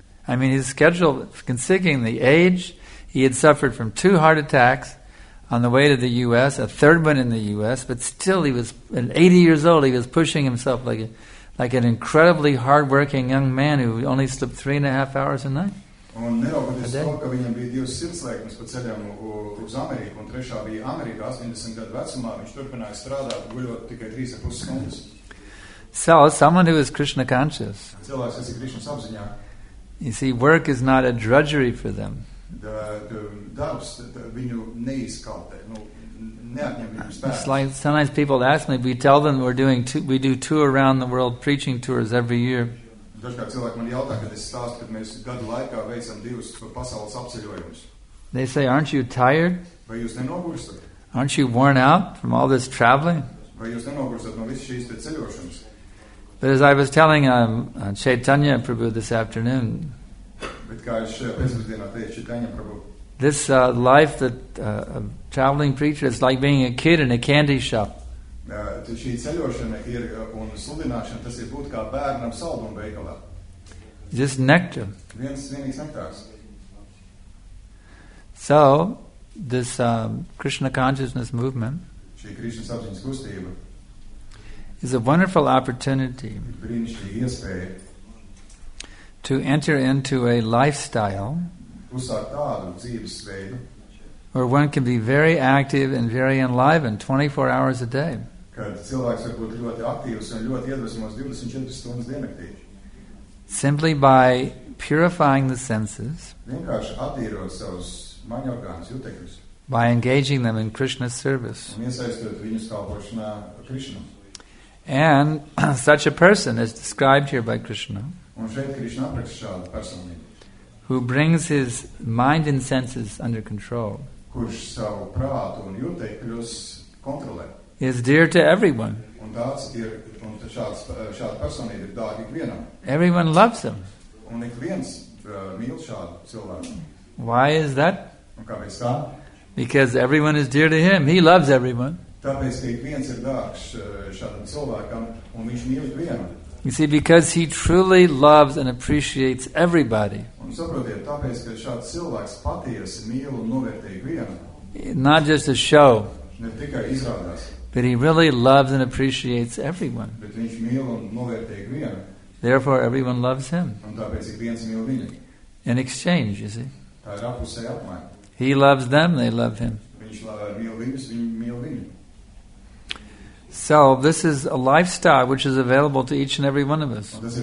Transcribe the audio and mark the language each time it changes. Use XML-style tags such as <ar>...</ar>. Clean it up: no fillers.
<en>I mean, his schedule, considering the age, he had suffered from 2 heart attacks on the way to the U.S., a third one in the U.S., but still he was, at 80 years old, he was pushing himself like an incredibly hard-working young man who only slept 3.5 hours a night.</en> <lv>Un neraugoties to, ka viņam bija 2 sirdslēkmes pa ceļam uz Ameriku, un trešā bija Amerikā, 80 gadu vecumā, viņš turpināja strādāt, guļot tikai 3.5 stundas.</lv> <en>So, someone who is Krishna conscious.</en> <lv>Cilvēks, kas ir Krishnas apziņā.</lv> <en>You see, work is not a drudgery for them.</en> <lv>Darbs viņu neizkaltē,</lv> <en>It's like sometimes people ask me, we tell them we do two around the world preaching tours every year.</en> <lv>Dažkārt cilvēki man jautā, kad es stāstu, kad mēs gadu laikā veicam 2 pasaules apceļojumus.</lv> <en>They say, aren't you tired?</en> <lv>Vai jūs nenogurstat?</lv> <en>Aren't you worn out from all this traveling?</en> <lv>Vai jūs nenogurstat no visu šīs ceļošanas?</lv> <en>But as I was telling Chaitanya Prabhu this afternoon,</en> <lv>bet kā es pēcpusdienā teicu Chaitanya Prabhu,</lv> <en>this life that a traveling preacher is like being a kid in a candy shop.</en> <lv>Šī ceļošana ir un sludināšana, tas ir būt kā bērnam saldumu veikalā.</lv> <en>Just nectar.</en> <lv>Vienīgs nektārs.</lv> <en>So, this Krishna consciousness movement</en> <lv>šī Krishnas apziņas kustība</lv> <en>is a wonderful opportunity</en> <lv>brīnišķīga iespēja</lv> <en>to enter into a lifestyle</en> <lv>uzsākt tādu dzīves veidu</lv> <en>where one can be very active and very enlivened 24 hours a day.</en> <lv>Kad cilvēks var būt ļoti aktīvs un ļoti iedvesmos 24 stundas diennaktī.</lv> <en>Simply by purifying the senses,</en> <lv>vienkārši attīrot savus maņorgānus, jūtekļus,</lv> <en>by engaging them in Krishna's service,</en> <lv>un iesaistot viņus kalpošanā Krishna.</lv> <en>And such a person is described here by Krishna,</en> <lv>un šeit Krishna apraksta šādu personību,</lv> <en>who brings his mind and senses under control,</en> <lv>kurš savu prātu un jūtekļus kontrolē,</lv> <en>is dear to everyone.</en> <lv>Un tāds ir, un šāds, šāda personība ir dārga ikvienam.</lv> <en>Everyone loves him.</en> <lv>Un ikviens mīl šādu cilvēku.</lv> <en>Why is that?</en> <lv>Un kāpēc tā?</lv> <en>Because everyone is dear to him. He loves everyone.</en> <lv>Tāpēc, ka ikviens ir dārgs šādam cilvēkam, un viņš mīl ikvienu.</lv> <en>You see, because he truly loves and appreciates everybody.</en> <lv>Un saprotiet, tāpēc, ka šāds cilvēks patiesi mīl un novērtē ikvienu.</lv> <en>Not just a show.</en> <lv>Ne tikai izrādās.</lv> <en>But he really loves and appreciates everyone.</en> <lv>Bet viņš mīl un novērtē ikvienu.</lv> <en>Therefore, everyone loves him.</en> <lv>Un tāpēc ikviens mīl viņu.</lv> <en>In exchange, you see.</en> <lv>Tā ir apusē apmaiņa.</lv> <en>He loves them, they love him.</en> <lv>Viņš mīl viņus, viņi mīl viņu.</lv> <en>So this is a lifestyle which is available to each and every one of us.</en>